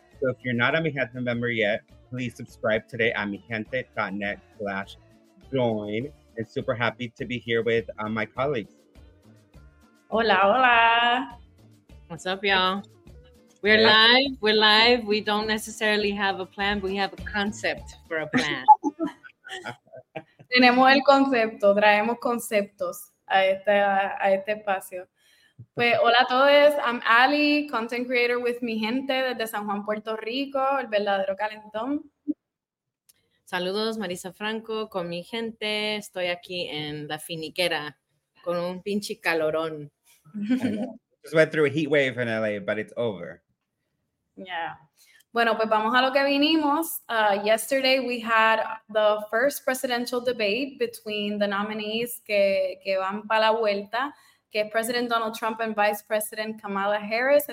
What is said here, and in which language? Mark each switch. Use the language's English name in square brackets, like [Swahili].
[English] So if you're not a Mi Gente member yet, please subscribe today at mijente.net/join. And super happy to be here with my colleagues. [Spanish] Hola, hola. [English] What's up, y'all? We're live. We're live. We don't necessarily have a plan, but we have a concept for a plan. [Spanish] Tenemos el concepto, traemos conceptos a este espacio. Pues, hola a todos. [English] I'm Ali, content creator with [Spanish] Mi Gente desde San Juan, Puerto Rico, el verdadero calentón. Saludos, Marisa Franco, con Mi Gente. Estoy aquí en La Finiquera con un pinche calorón. [English] Just went through a heat wave in LA, but it's over. [Spanish] Yeah. Bueno, pues vamos a lo que vinimos. [English] Yesterday we had the first presidential debate between the nominees [Spanish] que van para la vuelta, que es [English] President Donald Trump and Vice President Kamala Harris.